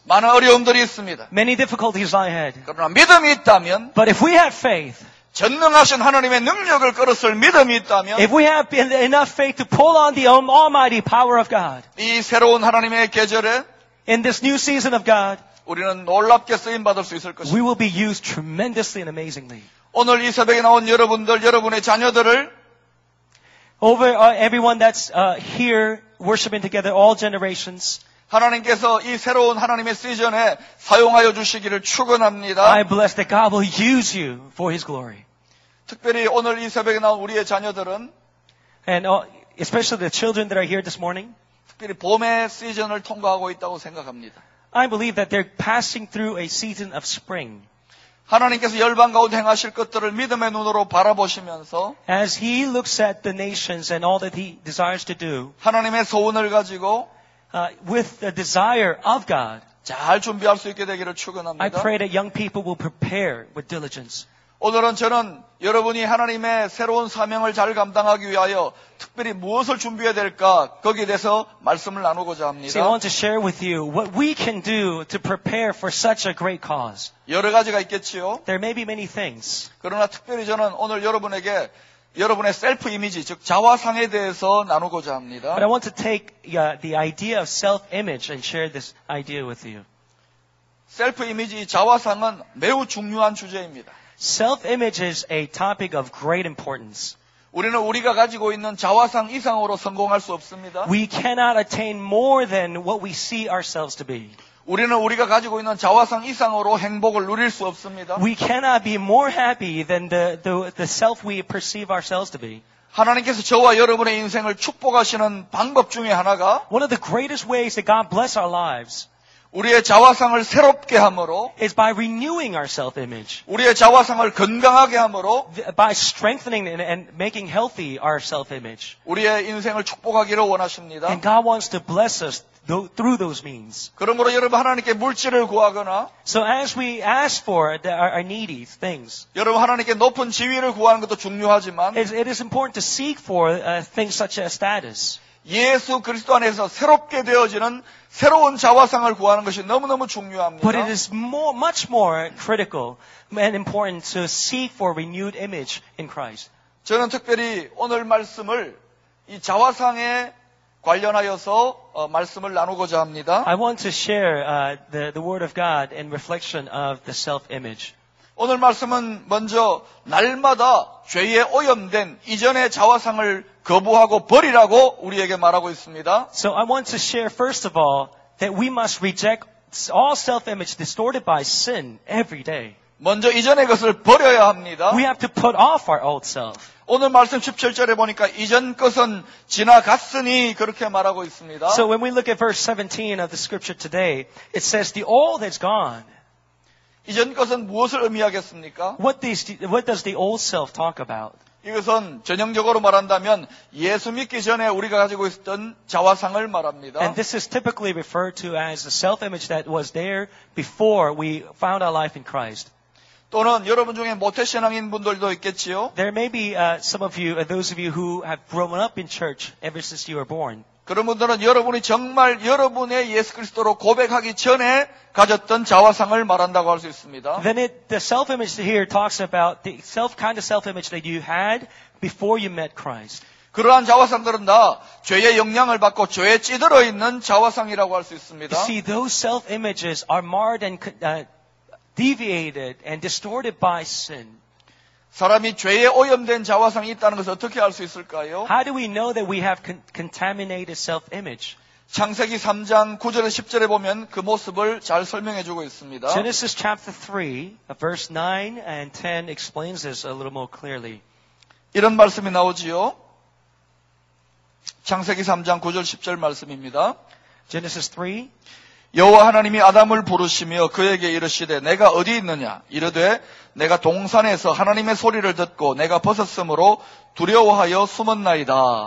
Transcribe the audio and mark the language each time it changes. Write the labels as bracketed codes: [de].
[ko] 많은 어려움들이 있습니다. [en] Many difficulties lie ahead. [ko] 그러나 믿음이 있다면. [en] But if we have faith. [ko] 전능하신 하나님의 능력을 끌었을 믿음이 있다면 [en] If we have been enough faith to pull on the almighty power of God [ko] 이 새로운 하나님의 계절에 [en] In this new season of God [ko] 우리는 놀랍게 쓰임 받을 수 있을 것입니다. [en] We will be used tremendously and amazingly. [ko] 오늘 이 새벽에 나온 여러분들 여러분의 자녀들을 [en] Over everyone that's here worshiping together all generations [ko] 하나님께서 이 새로운 하나님의 시즌에 사용하여 주시기를 축원합니다. [en] I bless that God will use you for His glory. [ko] 특별히 오늘 이 새벽에 나온 우리의 자녀들은 [en] And especially the children that are here this morning [ko] 특별히 봄의 시즌을 통과하고 있다고 생각합니다. [en] I believe that they're passing through a season of spring. [ko] 하나님께서 열방 가운데 행하실 것들을 믿음의 눈으로 바라보시면서 [en] As He looks at the nations and all that He desires to do [ko] 하나님의 소원을 가지고 [en] With the desire of God, [ko] 잘 준비할 수 있게 되기를 축원합니다. [en] I pray that young people will prepare with diligence. [ko] 오늘은 저는 여러분이 하나님의 새로운 사명을 잘 감당하기 위하여 특별히 무엇을 준비해야 될까 거기에 대해서 말씀을 나누고자 합니다. [en] So I want to share with you what we can do to prepare for such a great cause. [ko] 여러 가지가 있겠지요. [en] There may be many things. [ko] 그러나 특별히 저는 오늘 여러분에게 여러분의 셀프 이미지, 즉 자화상에 대해서 나누고자 합니다. [en] But I want to take the idea of self-image and share this idea with you. [ko] 셀프 이미지, 자화상은 매우 중요한 주제입니다. [en] Self-image is a topic of great importance. [ko] 우리는 우리가 가지고 있는 자화상 이상으로 성공할 수 없습니다. [en] We cannot attain more than what we see ourselves to be. [ko] 우리는 우리가 가지고 있는 자화상 이상으로 행복을 누릴 수 없습니다. [en] We cannot be more happy than the self we perceive ourselves to be. [ko] 하나님께서 저와 여러분의 인생을 축복하시는 방법 중에 하나가 [en] One of the greatest ways that God bless our lives [ko] 우리의 자화상을 새롭게 함으로 [en] is by renewing our self-image. [ko] 우리의 자화상을 건강하게 함으로 [en] by strengthening and making healthy our self-image. [ko] 우리의 인생을 축복하기를 원하십니다. [en] And God wants to bless us through those means. [ko] 그러므로 여러분 하나님께 물질을 구하거나 [en] So as we ask for our needy things. [ko] 여러분 하나님께 높은 지위를 구하는 것도 중요하지만 [en] it is important to seek for things such as status. [ko] 예수 그리스도 안에서 새롭게 되어지는 새로운 자화상을 구하는 것이 너무너무 중요합니다. [en] But it is much more critical and important to seek for renewed image in Christ. [ko] 저는 특별히 오늘 말씀을 이 자화상에 관련하여서 말씀을 나누고자 합니다. [en] I want to share the word of God in reflection of the self-image. [ko] 오늘 말씀은 먼저 날마다 죄에 오염된 이전의 자화상을 거부하고 버리라고 우리에게 말하고 있습니다. [en] So I want to share first of all that we must reject all self-image distorted by sin every day. [ko] 먼저 이전의 것을 버려야 합니다. [en] We have to put off our old self. [ko] 오늘 말씀 17절에 보니까 이전 것은 지나갔으니 그렇게 말하고 있습니다. [en] So when we look at verse 17 of the scripture today, it says the old is gone. [ko] 이전 것은 무엇을 의미하겠습니까? [en] What does the old self talk about? [ko] 이것은 전형적으로 말한다면 예수 믿기 전에 우리가 가지고 있었던 자화상을 말합니다. [en] And this is typically referred to as the self-image that was there before we found our life in Christ. [ko] 또는 여러분 중에 모태 신앙인 분들도 있겠지요. [en] There may be some of you, those of you who have grown up in church ever since you were born. [ko] 그런 분들은 여러분이 정말 여러분의 예수 그리스도로 고백하기 전에 가졌던 자화상을 말한다고 할 수 있습니다. [en] Then the self-image here talks about the kind of self-image that you had before you met Christ. [ko] 그러한 자화상들은 다 죄의 영향을 받고 죄에 찌들어 있는 자화상이라고 할 수 있습니다. [en] You see, those self-images are marred and deviated and distorted by sin. [ko] 사람이 죄에 오염된 자화상이 있다는 것을 어떻게 알 수 있을까요? [en] How do we know that we have contaminated self-image? [ko] 창세기 3장 9절에 10절에 보면 그 모습을 잘 설명해 주고 있습니다. [en] Genesis chapter 3, verse 9 and 10 explains this a little more clearly. [ko] 이런 말씀이 나오지요. 창세기 3장 9절 10절 말씀입니다. [en] Genesis 3 [ko] 여호와 하나님이 아담을 부르시며 그에게 이르시되 내가 어디 있느냐? 이르되 내가 동산에서 하나님의 소리를 듣고 내가 벗었으므로 두려워하여 숨었나이다.